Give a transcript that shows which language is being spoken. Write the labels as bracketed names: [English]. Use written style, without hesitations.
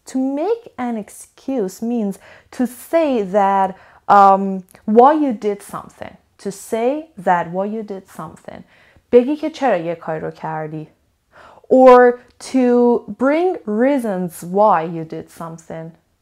[English] To make an excuse means to say that why you did something. To say that why you did something. [Persian] بگی که چرا یه کاری رو کردی. [English] Or to bring reasons why you did something.